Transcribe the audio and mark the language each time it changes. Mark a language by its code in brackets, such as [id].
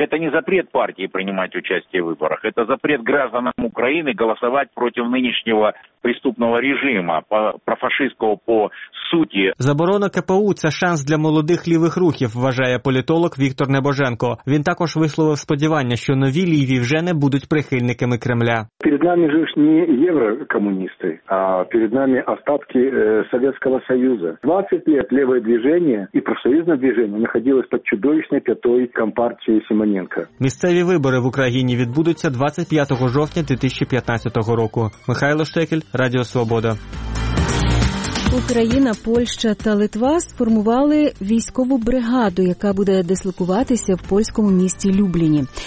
[uk] Це не [ru] запрет [uk] партії приймати участь у виборах, це [ru] запрет гражданам [uk] України голосувати проти нинішнього [ru] преступного [uk] режиму, профашистського по суті. Заборона КПУ – це шанс для молодих лівих рухів, вважає політолог Віктор Небоженко. Він також висловив сподівання, що нові ліві вже вже не будуть прихильниками Кремля. [ru] Перед нами же ж не єврокомуністи, а перед нами остатки Советского Союза. 20 лет левое движение и профсоюзное движение находилось под чудовищной пятой компартии Симоненко. [uk] Місцеві вибори в Україні відбудуться 25 жовтня 2015 року. Михайло Штекель, Радіо Свобода. Україна, Польща та Литва сформували військову бригаду, яка буде дислокуватися в польському місті Любліні.